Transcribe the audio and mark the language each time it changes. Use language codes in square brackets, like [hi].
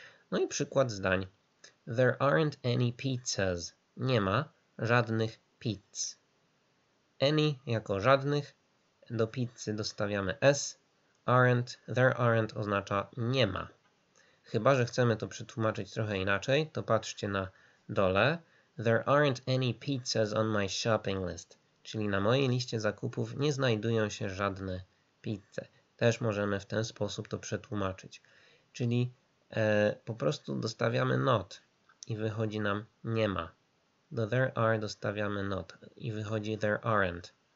[pl] No i przykład zdań. [en] There aren't any pizzas. [pl] Nie ma żadnych pizz. Any jako żadnych. Do pizzy dostawiamy S. [en] Aren't, there aren't [pl] oznacza nie ma. Chyba, że chcemy to przetłumaczyć trochę inaczej, to patrzcie na dole. [en] There aren't any pizzas on my shopping list. [pl] Czyli na mojej liście zakupów nie znajdują się żadne pizze. Też możemy w ten sposób to przetłumaczyć. Czyli po prostu dostawiamy not i wychodzi nam nie ma. Do [en] there are [pl] dostawiamy not i wychodzi [en] there aren't.